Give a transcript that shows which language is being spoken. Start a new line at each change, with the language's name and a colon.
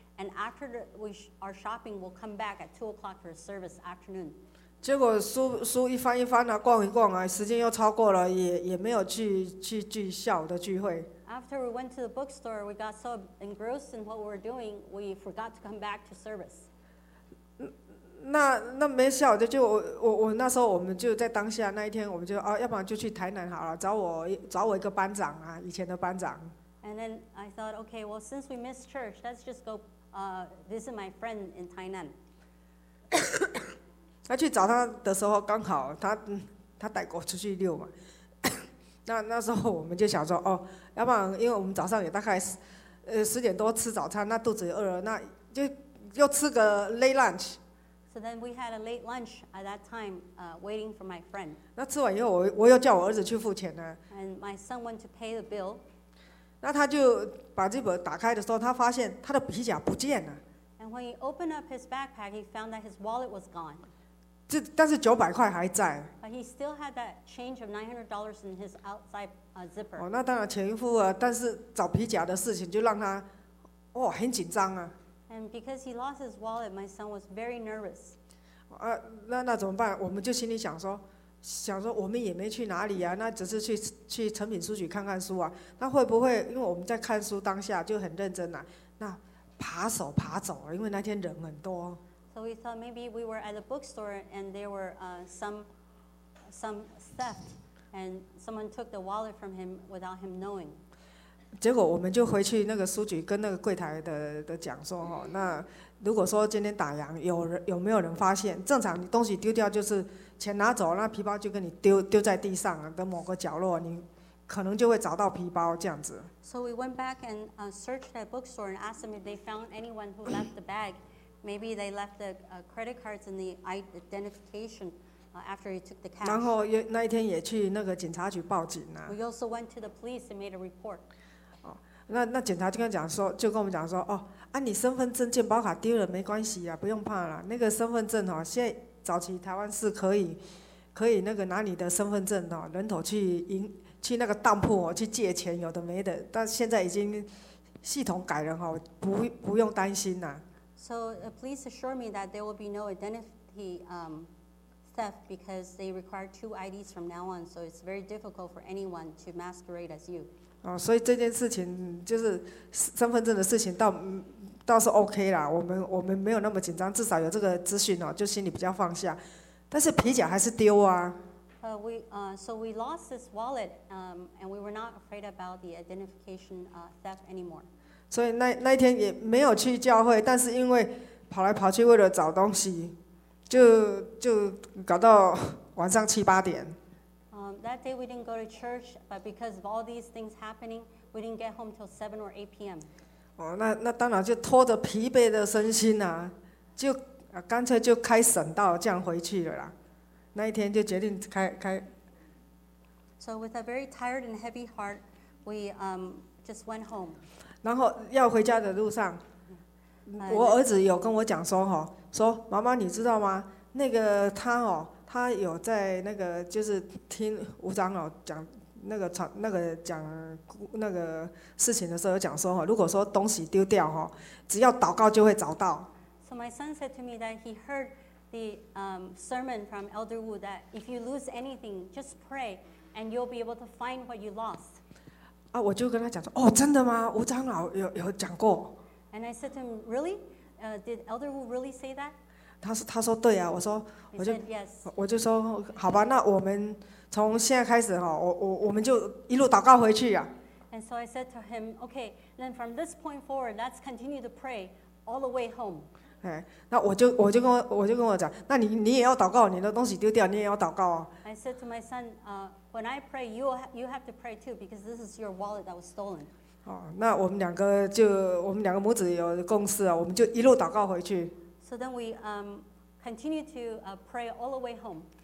English: And after our shopping, we'll come back at 2 o'clock for service afternoon.
Chinese: 结果书一翻一翻啊，逛一逛啊，时间又超过了，也没有去聚下午的聚会。
English: After we went to the bookstore, we got so engrossed in what we were doing, we forgot to come back to service.
Chinese: 那没下午的就我那时候我们就在当下那一天，我们就啊，要不然就去台南好了，找我一个班长啊，以前的班长。
English: And then I thought, okay, well, since we missed church, let's just go. This is my friend in Tainan.
Chinese: 他去找他的时候，刚好他带我出去溜嘛。那时候我们就想说，哦，要不然因为我们早上也大概十点多吃早餐，那肚子也饿了，那就又吃个
English: late lunch. So then we had a late lunch at that time, waiting for my friend.
Chinese: 那吃完以后我又叫我儿子去付钱呢。
English: And my son went to pay the bill.
Chinese: 那他就把这本打开的时候，他发现他的皮夹不见了。
English: And when he opened up his backpack, he found that his wallet was gone.
Chinese: 但是900块还在。
English: But he still had that change of $900 in his outside zipper.
Chinese: 哦，那当然钱付了，但是找皮夹的事情就让他，哦，很紧张啊。
English: And because he lost his wallet, my son was very nervous.
Chinese: 那怎么办？我们就心里想说。想说我们也没去哪里啊，那只是去诚品书局看看书啊。那会不会因为我们在看书当下就很认真啊？那爬走，因为那天人很多。
English: So we thought maybe we were at a bookstore and there were some theft and someone took the wallet from him without him knowing.
Chinese: 结果我们就回去那个书局跟那个柜台的讲说哈、哦，那如果说今天打烊，有没有人发现？正常东西丢掉就是。钱拿走，那皮包就给你丢在地上的某个角落，你可能就会找到皮包这样子。
English: So we went back and searched that bookstore and asked them if they found anyone who left the bag. Maybe they left the credit cards and the identification after he took the cash.
Chinese: 然后那一天也去那个警察局报警了、啊。
English: We also went to the police and made a report.
Chinese: 哦，那警察就跟我们讲说，哦，啊，你身份证、健保卡丢了没关系啊，不用怕了。那个身份证哦，现在早期台湾是可以那个拿你的身份证哦，人头去那个当铺哦去借钱，有的没的。但现在已经系统改了哦，不用担心呐。
English: So please assure me that there will be no identity theft because they require 2 IDs from now on. So it's very difficult for anyone to masquerade as you.
Chinese: 哦，所以这件事情就是身份证的事情倒是 OK 啦，我们没有那么紧张，至少有这个资讯哦，就心里比较放下。但是皮夹还是丢啊。
English: So we lost this wallet, and we were not afraid about the identification theft anymore.
Chinese: 所以那一天也没有去教会，但是因为跑来跑去为了找东西，就搞到晚上七八点。
English: That day we didn't go to church, but because of all these things happening, we didn't get home till 7 or 8 p.m.
Chinese: 哦、那当然就拖着疲惫的身心啊，就啊干脆就开省道这样回去了啦。那一天就决定开。
English: So with a very tired and heavy heart, we just went home.
Chinese: 然后要回家的路上，我儿子有跟我讲说哈、哦，说妈妈你知道吗？那个他哦，他有在那个就是听吴长老讲。那个事情的时候有讲说，如果说东西丢掉，只要祷告就会找到。
English: So my son said to me that he heard the sermon from Elder Wu that if you lose anything, just pray and you'll be able to find what you lost.
Chinese: 啊，我就跟他讲说，哦，真的吗？吴长老有讲过。
English: And I said to him, really? Did Elder Wu really say that?
Chinese: 他说对啊，我说
English: he
Chinese: 我就
English: said, yes.
Chinese: 我就说好吧，那我们从现在开始哈，我们就一路祷告回去啊。
English: And so I said to him, okay, then from this point forward, let's continue to pray all the way home.
Chinese: 哎，那我就跟我讲，那你也要祷告，你的东西丢掉，你也要祷告啊。
English: I said to my son, when I pray, you have to pray too, because this is your wallet that was stolen.
Chinese: 哦，那我们两个母子有共识啊，我们就一路祷告回去。
English: So then we continue to pray all the way home.